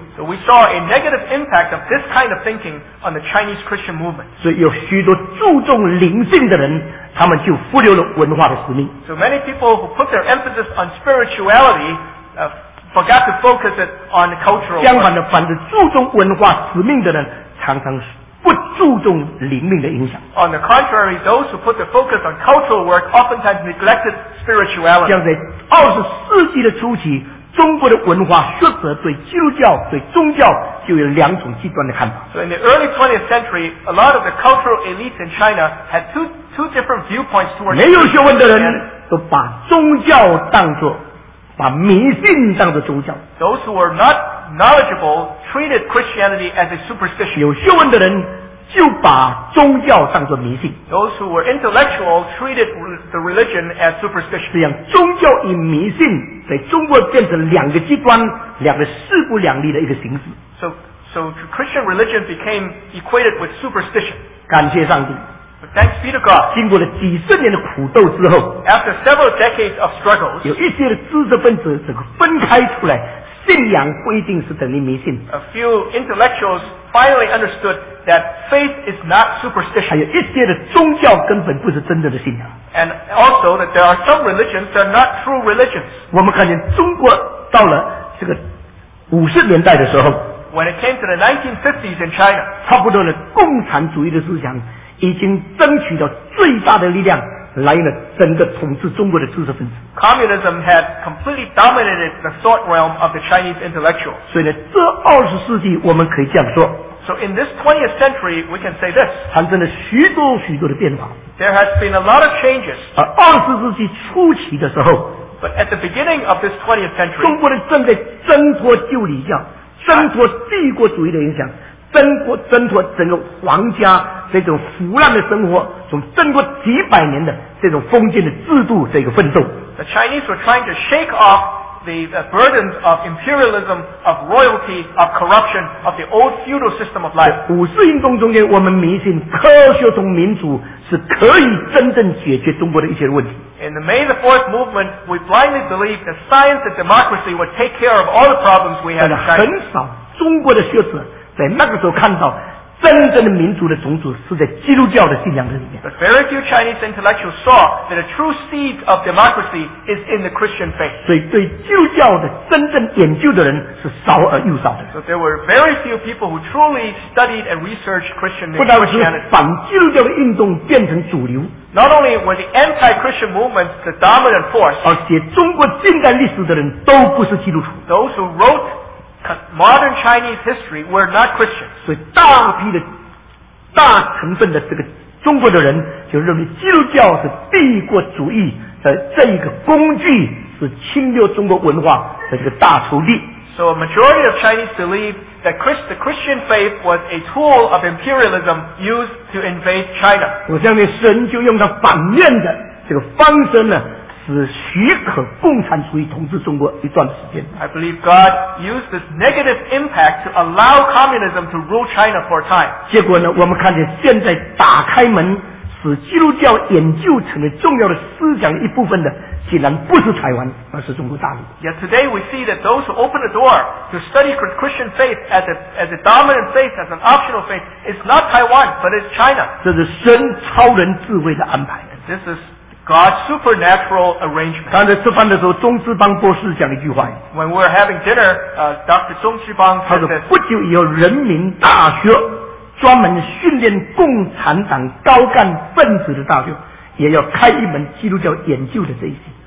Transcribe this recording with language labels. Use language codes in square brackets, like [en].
[en] So we saw a negative impact of this kind of thinking on the Chinese Christian movement. [zh] 所以有许多注重灵性的人，他们就忽略了文化的使命。 [en] So many people who put their emphasis on spirituality, forgot to focus it on the cultural. [zh] 相反的，反之注重文化使命的人，常常不注重灵命的影响。 [en] On the contrary, those who put the focus on cultural work oftentimes neglected spirituality. [zh] 像在二十世纪的初期。中国的文化学者对基督教、对宗教就有两种极端的看法。 [en] So in the early 20th century, a lot of the cultural elites in China had two different viewpoints towards. [zh] 没有学问的人都把宗教当作，把迷信当作宗教。 [en] Those who were not knowledgeable treated Christianity as a superstition. [zh] 有学问的人就把宗教当作迷信。 [en] Those who were intellectual treated the religion as superstition. [zh] 这样，宗教与迷信在中国变成两个极端，两个势不两立的一个形式。 [en] So Christian religion became equated with superstition. [zh] 感谢上帝。 [en] But thanks be to God. [zh] 经过了几十年的苦斗之后 [en] ，After several decades of struggles， [zh] 有一些的知识分子这个分开出来，信仰不一定是等于迷信。 [en] A few intellectuals finally understood that faith is not superstition. [zh] 还有一些的宗教根本不是真正的信仰。 [en] And also that there are some religions that are not true religions. [zh] 我们看见中国到了这个五十年代的时候 [en] ，When it came to the 1950s in China， [zh] 差不多的共产主义的思想已经争取到最大的力量。来了整个统治中国的知识分子。 [en] Communism had completely dominated the thought realm of the Chinese intellectuals. [zh] 所以呢，这二十世纪我们可以这样说。 [en] So in this 20th century, we can say this. [zh] 产生了许多许多的变化。 [en] There has been a lot of changes. [zh] 而二十世纪初期的时候 [en] ，But at the beginning of this 20th century, [zh] 中国人正在挣脱旧礼教，挣脱帝国主义的影响。挣脱整个皇家这种腐烂的生活，从挣脱几百年的这种封建的制度这个奋斗。 [en] The Chinese were trying to shake off the burdens of imperialism, of royalty, of corruption, of the old feudal system of life. [zh] 五四运动中间，我们迷信科学同民主是可以真正解决中国的一些问题。 [en] In the May the 4th movement, we blindly believed that science and democracy would take care of all the problems we had in China. [zh] 很少中国的学者。在那个时候看到真正的民族的种子是在基督教的信仰的里面。 [en] But very few Chinese intellectuals saw that a true seed of democracy is in the Christian faith. [zh] 所以对基督教的真正研究的人是少而又少的。 [en] So there were very few people who truly studied and researched Christian faith. [zh] 不单是反基督教的运动变成主流。 [en] Not only were the anti-Christian movements the dominant force. [zh] 而且中国近代历史的人都不是基督徒。 [en] Those who wrote modern Chinese history were not Christians. [zh] 所以大批的大成分的这个中国的人就认为基督教是帝国主义的这一个工具，是侵略中国文化的这个大仇敌。 [en] So a majority of Chinese believed that the Christian faith was a tool of imperialism used to invade China. [zh] 我相信神就用他反面的这个方针呢。是许可共产主义统治中国一段时间。 [en] I believe God used this negative impact to allow communism to rule China for a time. [zh] 结果呢，我们看见现在打开门，使基督教研究成了重要的思想一部分的，竟然不是台湾，而是中国大陆。 [en] Yet today we see that those who open the door to study Christian faith as a dominant faith, as an optional faith, is not Taiwan, but is China. [zh] 这是神超人智慧的安排。 [en] This isis God's supernatural arrangement. [zh] 刚才吃饭的时候，钟志邦博士讲了一句话。 [en] When we're having dinner, Dr. [zh] 钟志邦他说，不久以后，人民大学专门训练共产党高干分子的大学，也要开一门基督教研究的这一些。